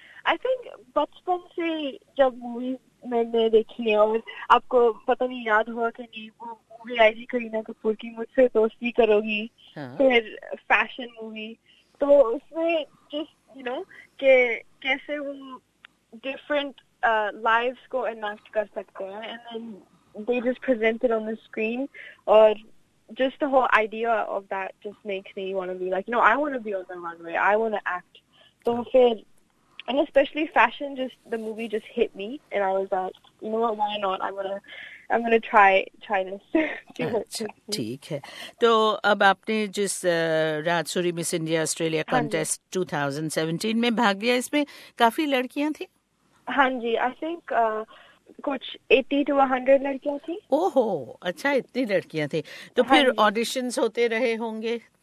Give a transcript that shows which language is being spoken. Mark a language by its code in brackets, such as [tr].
[ur] I think بچپن سے جب موویز میں نے دیکھی ہیں, اور آپ کو پتہ نہیں یاد ہوا کہ نہیں, وہ مووی آئی تھی کرینا کپور کی مجھ سے دوستی کرو گی, پھر فیشن مووی, تو اس میں جسٹ یو نو کہ کیسے وہ ڈفرینٹ لائفس کو انیکٹ کر سکتے ہیں, [en] And then they just presented on the screen, or just the whole idea of that just makes me want to be like, you know, I want to be on the runway, I want to act. So fir, and especially fashion, just the movie just hit me, and I was like, you know what, why not, I'm going to try this. [ur] ٹھیک ہے, تو اب آپ نے جس راج sorry مس India Australia contest 2017 میں بھاگ لیا, اس میں کافی لڑکیاں تھیں؟ ہاں جی, آئی تھنک کچھ 80 to 100 لڑکیاں تھیں. او ہو, اچھا اتنی لڑکیاں تھیں, تو پھر آڈیشنز ہوتے رہے ہوں گے؟